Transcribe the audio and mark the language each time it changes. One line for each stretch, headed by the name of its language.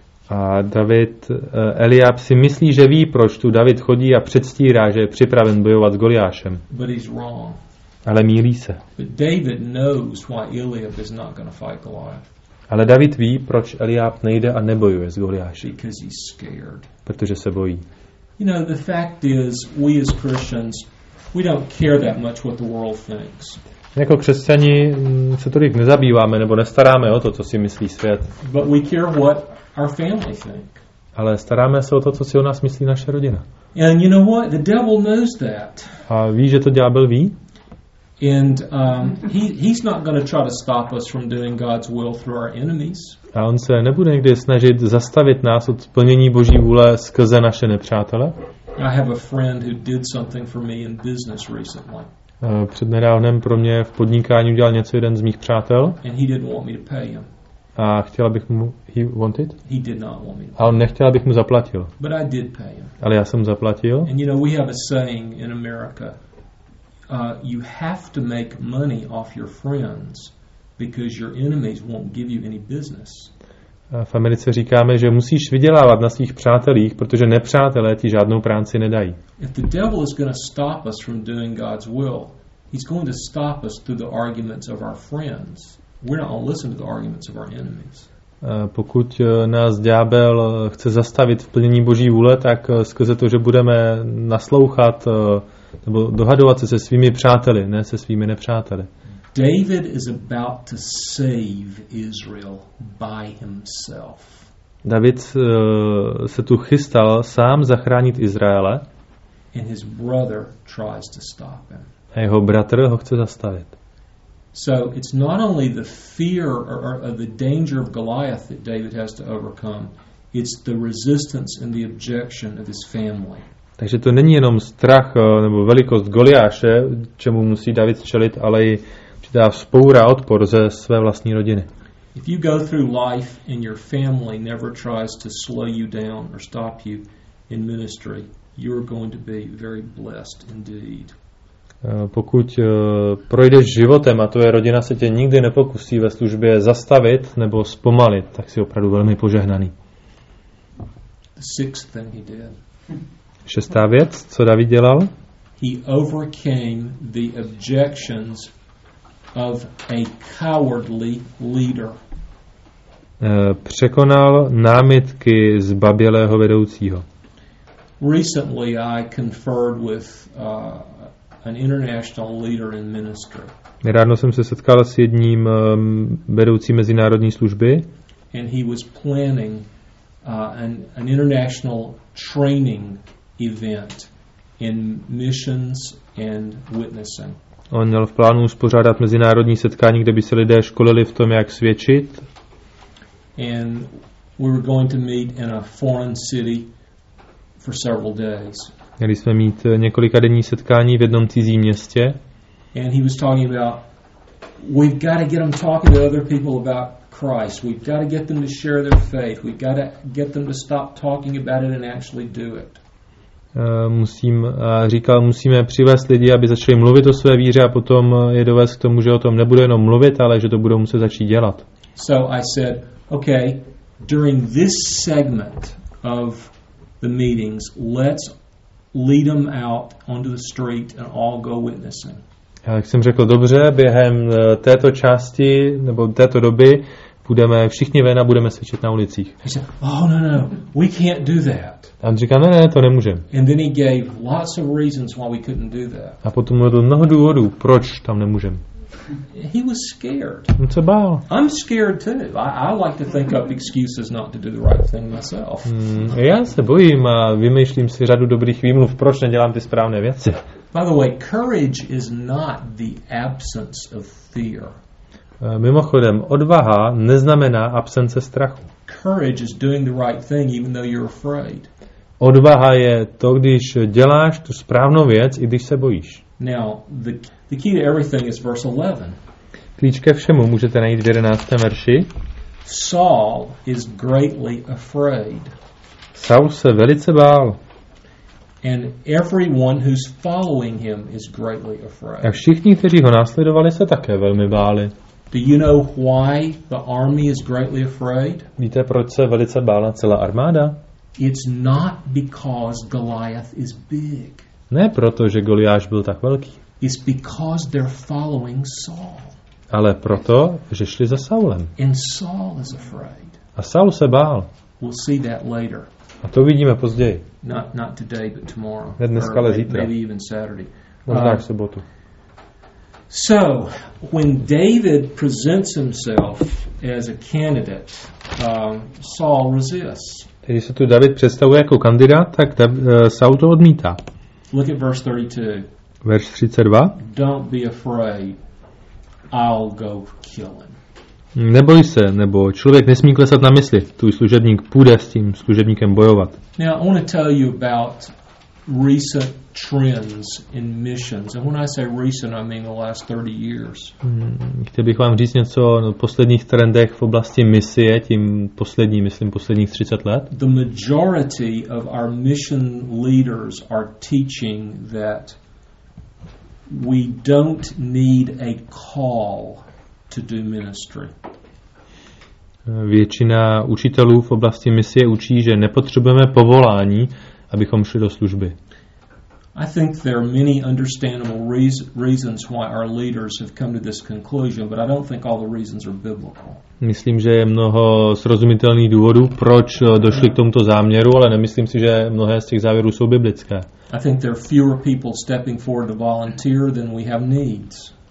Czech: A David, Eliab si myslí, že ví, proč tu David chodí a předstírá, že je připraven bojovat s Goliášem.
English: But he's wrong.
Czech: Ale mýlí se.
English: But David knows why Eliab is not going to fight Goliath.
Czech: Ale David ví, proč Eliab nejde a nebojuje s Goliášem.
English: Because he's scared.
Czech: Protože se bojí.
English: You know, the fact is, we as Christians, we don't care that much what the world thinks.
Czech: Jako křesťani se tolik nezabýváme nebo nestaráme o to, co si myslí svět.
English: But we care what our family think.
Czech: Ale staráme se o to, co si o nás myslí naše rodina.
English: And you know what? The devil knows that.
Czech: A ví, že to ďábel ví.
English: And he's not going to try to stop us from doing God's will through our enemies.
Czech: A on se nebude nikdy snažit zastavit nás od splnění Boží vůle skrze naše nepřátele.
English: I have a friend who did something for me in business recently.
Czech: Před nedávnem pro mě v podnikání udělal něco jeden z mých přátel.
English: And he didn't want me to pay him.
Czech: A chtěl, abych mu...
English: He wanted? He did not want me to pay.
Czech: A on nechtěl, abych mu zaplatil.
English: But I did pay him.
Czech: Ale já jsem zaplatil.
English: And you know, we have a saying in America. You have to make money off your friends because your enemies won't give you any business.
Czech: V Americe říkáme, že musíš vydělávat na svých přátelích, protože nepřátelé ti žádnou práci nedají.
English: If the devil is going to stop us from doing God's will, he's going to stop us through the arguments of our friends. We're not going to listen to the arguments of our enemies.
Czech: Pokud nás ďábel chce zastavit v plnění Boží vůle, tak skrze to, že budeme naslouchat nebo dohadovat se svými přáteli, ne se svými nepřáteli.
English: David is about to save Israel by himself.
Czech: David se tu chystal sám zachránit Izraele.
English: And his brother tries to stop him.
Czech: A jeho bratr ho chce zastavit.
English: So it's not only the fear or the danger of Goliath that David has to overcome, it's the resistance and the objection of his family.
Czech: Takže to není jenom strach nebo velikost Goliáše, čemu musí David čelit, ale i Čítá vzpoura a odpor ze své vlastní rodiny.
English: If you go through life and your family never tries to slow you down or stop you in ministry, you are going to be very blessed indeed.
Czech: Pokud projdeš životem a tvoje rodina se tě nikdy nepokusí ve službě zastavit nebo zpomalit, tak jsi opravdu velmi požehnaný.
English: The sixth thing he did.
Czech: Šestá věc, co David dělal?
English: He overcame the objections of a cowardly leader.
Czech: Překonal námitky zbabělého vedoucího.
English: Recently I conferred with an international leader in ministry.
Czech: Nedávno jsem se setkal s jedním vedoucím mezinárodní služby.
English: And he was planning an international training event in missions and witnessing.
Czech: On měl v plánu uspořádat mezinárodní setkání, kde by se lidé školili v tom, jak svědčit.
English: And we were going to meet in a foreign city for several days.
Czech: Měli jsme mít několikadenní setkání v jednom cizím městě.
English: And he was talking about, we've got to get them talking to other people about Christ. We've got to get them to share their faith. We've got to get them to stop talking about it and actually do it.
Czech: Musíme přivést lidi, aby začali mluvit o své víře a potom je dovést k tomu, že o tom nebudou jenom mluvit, ale že to budou muset začít dělat.
English: So I said, okay, during this segment of the meetings, let's lead them out onto the street and all go witnessing.
Czech: Já jsem řekl, dobře, během této části nebo této doby budeme všichni ven a budeme svědčit na ulicích.
English: He said, oh, no, we can't do that.
Czech: A on říká, ne, to nemůžeme.
English: And then he gave lots of reasons why we couldn't do that.
Czech: A potom mu dal mnoho důvodů, proč tam nemůžeme.
English: He was scared.
Czech: On se bál.
English: I'm scared too. I like to think up excuses not to do the right thing myself.
Czech: Já se bojím a vymýšlím si řadu dobrých výmluv, proč nedělám ty správné věci.
English: By the way, courage is not the absence of fear.
Czech: Mimochodem, odvaha neznamená absence strachu.
English: Courage is doing the right thing even though you're afraid.
Czech: Odvaha je to, když děláš tu správnou věc, i když se bojíš.
English: Now, the key to everything is verse 11.
Czech: Klíč ke všemu můžete najít v 11. verši.
English: Saul is greatly afraid.
Czech: Saul se velice bál.
English: And everyone who's following him is greatly afraid.
Czech: A všichni, kteří ho následovali, se také velmi báli.
English: Do you know why the army is greatly afraid?
Czech: Víte, proč se velice bála celá armáda?
English: It's not because Goliath is big.
Czech: Ne proto, že Goliáš byl tak velký.
English: It's because they're following Saul.
Czech: Ale proto, že šli za Saulem.
English: And Saul is afraid.
Czech: A Saul se bál.
English: We'll see that later.
Czech: A to uvidíme později.
English: Not today, but tomorrow.
Czech: Ne dneska, ale zítra.
English: Maybe even Saturday.
Czech: Možná v sobotu.
English: So, when David presents himself as a candidate, Saul resists.
Czech: Když se tu David představuje jako kandidát, tak Saul to odmítá.
English: Look at verse 32.
Czech: Verš 32.
English: Don't be afraid. I'll go kill him.
Czech: Neboj se, nebo člověk nesmí klesat na mysli. Tvůj služebník půjde s tím služebníkem bojovat.
English: Now, I want to tell you about recent trends in missions. And when I say recent, I mean the last 30 years.
Czech: Chtěl bych vám říct něco o posledních trendech v oblasti misie, tím posledním, myslím, posledních 30 let.
English: The majority of our mission leaders are teaching that we don't need a call to do ministry.
Czech: Většina učitelů v oblasti misie učí, že nepotřebujeme povolání, abychom šli do služby.
English: I think there are many understandable reasons why our leaders have come to this conclusion, but I don't think all the reasons are biblical.
Czech: Myslím, že je mnoho srozumitelných důvodů, proč došli k tomuto záměru, ale nemyslím si, že mnohé z těch závěrů jsou biblické.
English: I think there are fewer people stepping forward to volunteer than we have needs.